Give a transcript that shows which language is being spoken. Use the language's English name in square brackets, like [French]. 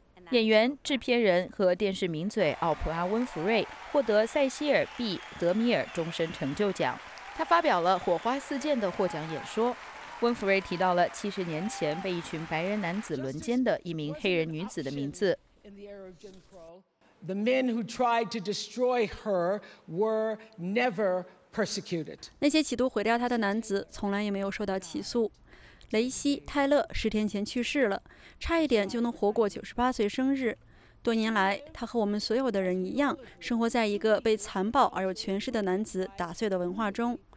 [Chinese] 演员、制片人和电视名嘴奥普拉·温弗瑞获得塞西尔·B. 德米尔终身成就奖，他发表了火花四溅的获奖演说。温弗瑞提到了70年前被一群白人男子轮奸的一名黑人女子的名字。 [English] The men who tried to destroy her were never persecuted. [Chinese] 那些企图毁掉她的男子从来也没有受到起诉。雷西·泰勒10天前去世了，差一点就能活过98岁生日。多年来，他和我们所有的人一样，生活在一个被残暴而有权势的男子打碎的文化中。